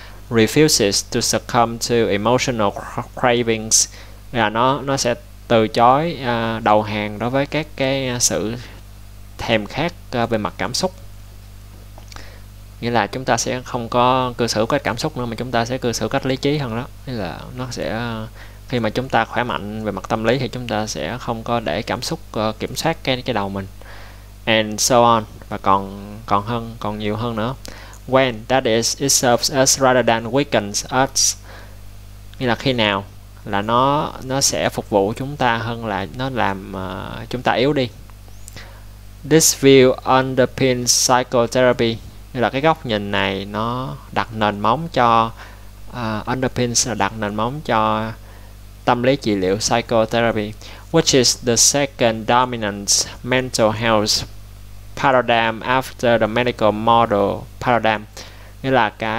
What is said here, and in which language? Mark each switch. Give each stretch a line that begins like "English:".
English: Refuses to succumb to emotional cravings,
Vietnamese: là nó sẽ từ chối đầu hàng đối với các cái sự thèm khát về mặt cảm xúc, nghĩa là chúng ta sẽ không có cư xử cách cảm xúc nữa, mà chúng ta sẽ cư xử cách lý trí hơn đó. Nghĩa là nó sẽ khi mà chúng ta khỏe mạnh về mặt tâm lý thì chúng ta sẽ không có để cảm xúc kiểm soát cái đầu mình,
English: and so on,
Vietnamese: và còn nhiều hơn nữa.
English: When that is, it serves us rather than weakens us.
Vietnamese: Nghĩa là khi nào là nó sẽ phục vụ chúng ta hơn là nó làm chúng ta yếu đi.
English: This view underpins psychotherapy.
Vietnamese: Nghĩa là cái góc nhìn này nó đặt nền móng cho underpins, là đặt nền móng cho tâm lý trị liệu psychotherapy,
English: which is the second dominant mental health paradigm after the medical model paradigm,
Vietnamese: nghĩa là